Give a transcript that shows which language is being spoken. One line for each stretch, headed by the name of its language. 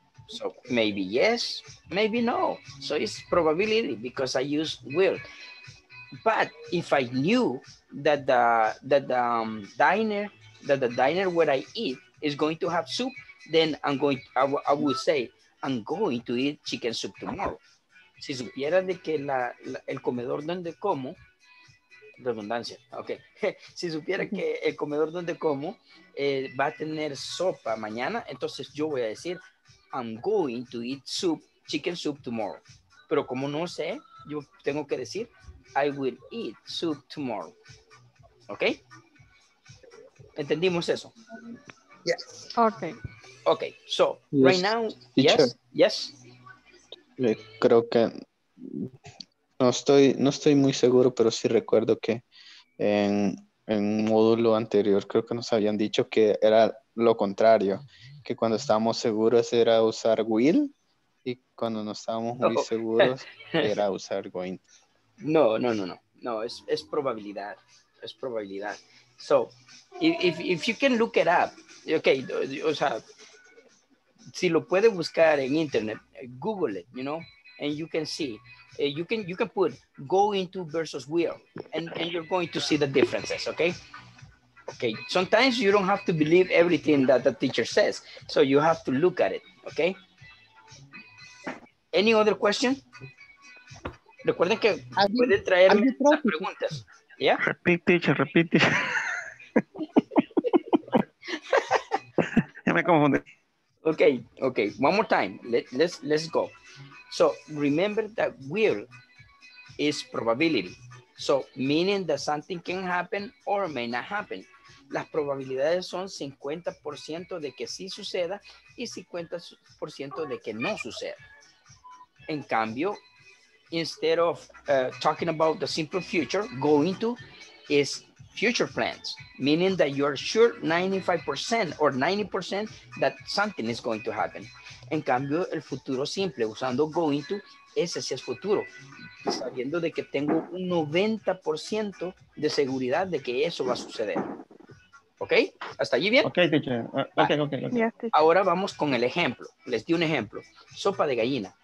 English: So maybe yes, maybe no. So it's probability because I use will. But if I knew that the diner where I eat is going to have soup, then I'm going. I would say I'm going to eat chicken soup tomorrow.
Spanish: Si supiera de que el comedor donde como, redundancia, okay. Si supiera que el comedor donde como va a tener sopa mañana, entonces yo voy a decir
English: I'm going to eat soup, chicken soup tomorrow.
Spanish: Pero como no sé, yo tengo que decir
English: I will eat soup tomorrow.
Spanish: Okay. Entendimos eso.
English: Yes. Okay. Okay. So yes. Right now, teacher, yes. Yes.
Spanish: Creo que no estoy muy seguro, pero sí recuerdo que en un módulo anterior creo que nos habían dicho que era lo contrario, que cuando estábamos seguros era usar will y cuando no estábamos muy seguros era usar going. No, es probabilidad. Es probabilidad.
English: So, if you can look it up, okay,
Spanish: o sea, si lo puede buscar en internet,
English: Google it, you know, and you can see, you can put going to versus will, and you're going to see the differences, okay? Okay, sometimes you don't have to believe everything that the teacher says, so you have to look at it, okay? Any other question?
Spanish: Recuerden que puede traerme las preguntas. Yeah?
English: Repeat, teacher, repeat, teacher.
Spanish: Ya me confundí.
English: Okay. One more time. Let's go. So remember that will is probability. So meaning that something can happen or may not happen.
Spanish: Las probabilidades son 50% de que sí suceda y 50% de que no suceda. En cambio,
English: instead of talking about the simple future, going to is future plans, meaning that you're sure 95% or 90% that something is going to happen.
Spanish: En cambio, el futuro simple, usando going to, ese sí es futuro, sabiendo de que tengo un 90% de seguridad de que eso va a suceder. ¿Ok? ¿Hasta allí bien?
English: Ok, teacher. Okay.
Spanish: Yeah, ahora vamos con el ejemplo. Les di un ejemplo. Sopa de gallina.